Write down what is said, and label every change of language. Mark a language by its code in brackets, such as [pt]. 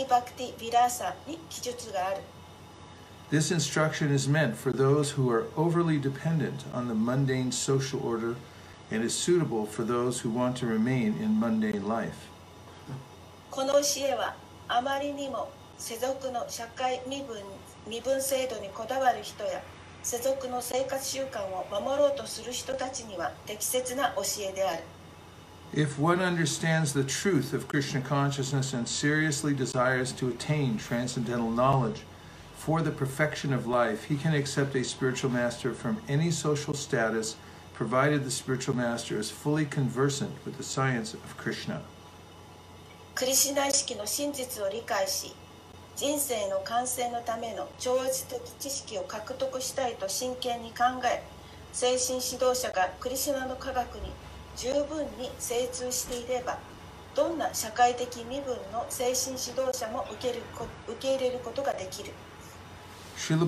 [ja] 現在、適任のブラフマンの身分の人がいれば、ブラフマンの身分でない人から入門を受けてはならないと、ハリバクティ・ヴィラーサに記述がある。 [en] This instruction is meant for those who are overly dependent on the mundane social order and is suitable for those who want to remain in mundane life. [ja] この教えはあまりにも世俗の社会身分制度にこだわる人や 世俗の生活習慣を守ろうとする人たちには適切な教えである。 [en] If one understands the truth of Krishna consciousness and seriously desires to attain transcendental knowledge for the perfection of life, he can accept a spiritual master from any social status, provided the spiritual master is fully conversant with the science of Krishna. [ja] クリシュナ意識の真実を理解し、 人生の完成のための超越的知識を獲得したいと真剣に考え、精神指導者がクリシュナの科学に十分に精通していれば、どんな社会的身分の精神指導者も受ける、受け入れることができる。Srila